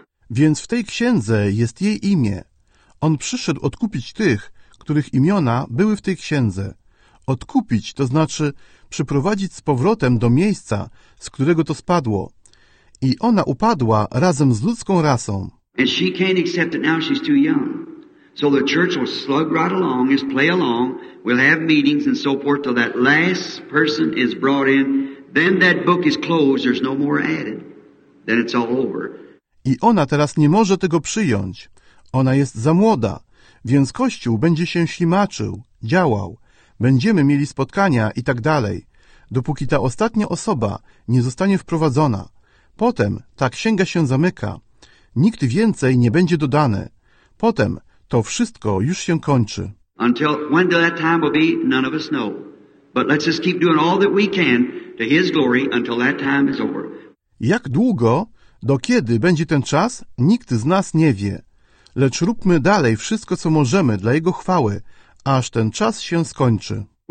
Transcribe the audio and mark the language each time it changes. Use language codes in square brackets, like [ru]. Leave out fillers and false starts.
[pl] Więc w tej księdze jest jej imię. On przyszedł odkupić tych, których imiona były w tej księdze. Odkupić to znaczy przyprowadzić z powrotem do miejsca, z którego to spadło. I ona upadła razem z ludzką rasą. [en] And she can't accept it now, she's too young. So the church will slug right along, just play along, we'll have meetings and so forth till that last person is brought in. Then that book is closed, there's no more added. Then it's all over. [pl] I ona teraz nie może tego przyjąć. Ona jest za młoda, więc Kościół będzie się ślimaczył, działał. Będziemy mieli spotkania i tak dalej, dopóki ta ostatnia osoba nie zostanie wprowadzona. Potem ta księga się zamyka. Nikt więcej nie będzie dodany. Potem to wszystko już się kończy. [en] Until when that time will be, none of us know. But let's just keep doing all that we can to His glory until that time is over. [pl] Jak długo, do kiedy będzie ten czas, nikt z nas nie wie. Lecz róbmy dalej wszystko, co możemy dla Jego chwały, aż ten czas się skończy.